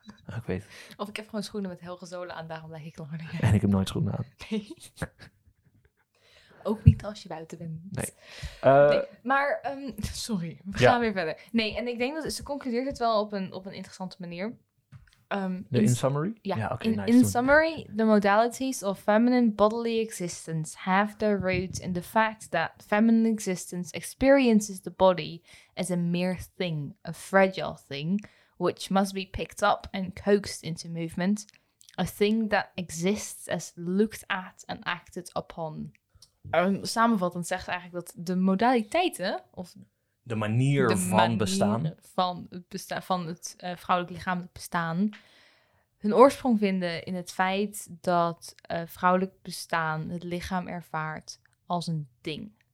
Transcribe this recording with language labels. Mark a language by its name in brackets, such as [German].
[Dutch] Oh, ik weet. Of ik heb gewoon schoenen met hoge zolen aan, daarom lijk ik langer dan jij. En ik heb nooit schoenen aan. Nee. Ook niet als je buiten bent. Nee. Sorry, we gaan weer verder. Nee, en ik denk dat ze concludeert het wel op een interessante manier. [English] In summary? [Dutch] Ja, [English] yeah, okay, in nice. In summary, the modalities of feminine bodily existence have their roots in the fact that feminine existence experiences the body as a mere thing, a fragile thing, which must be picked up and coaxed into movement, a thing that exists as looked at and acted upon. [Dutch] Samenvattend zegt eigenlijk dat de modaliteiten, of de manier van bestaan. Van het vrouwelijk lichamelijk bestaan. Hun oorsprong vinden in het feit dat vrouwelijk bestaan het lichaam ervaart als een ding.